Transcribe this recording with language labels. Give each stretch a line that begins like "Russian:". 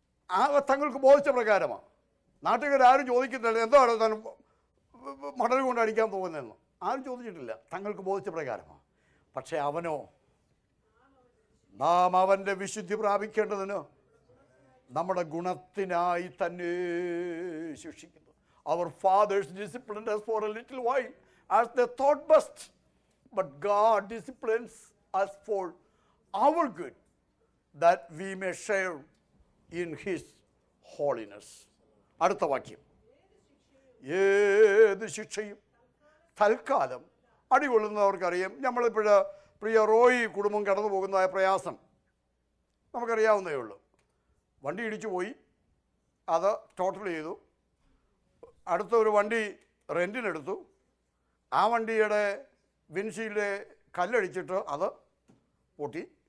Malayalam: ആ തങ്ങൾക്ക് ബോധിച്ച പ്രകാരമാണ്. നാട്ടുകാരും ചോദിക്കുന്നില്ല എന്തോ അവിടെ തന്നെ മടലുകൊണ്ട് അടിക്കാൻ പോകുന്നതെന്ന്, ആരും ചോദിച്ചിട്ടില്ല. തങ്ങൾക്ക് ബോധിച്ച പ്രകാരമാണ്. പക്ഷേ അവനോ, നാം അവൻ്റെ വിശുദ്ധി പ്രാപിക്കേണ്ടതിന് നമ്മുടെ ഗുണത്തിനായി തന്നെ ശിക്ഷിക്കുന്നു.
English: Our fathers disciplined us for a little while as they thought best, but God disciplines us for our good, that we may share in His holiness.
Malayalam: അടുത്ത വാക്യം, ഏത് ശിക്ഷയും തൽക്കാലം അടികൊള്ളുന്നവർക്കറിയാം. നമ്മളിപ്പോൾ പ്രിയ റോയി കുടുംബം കടന്നു പോകുന്നതായ പ്രയാസം നമുക്കറിയാവുന്നേ ഉള്ളൂ. വണ്ടി ഇടിച്ചു പോയി, അത് ടോട്ടൽ ചെയ്തു. അടുത്ത ഒരു വണ്ടി റെൻറ്റിനെടുത്തു, ആ വണ്ടിയുടെ വിൻഷീൽഡ് കല്ലടിച്ചിട്ട് അത് പൊട്ടി.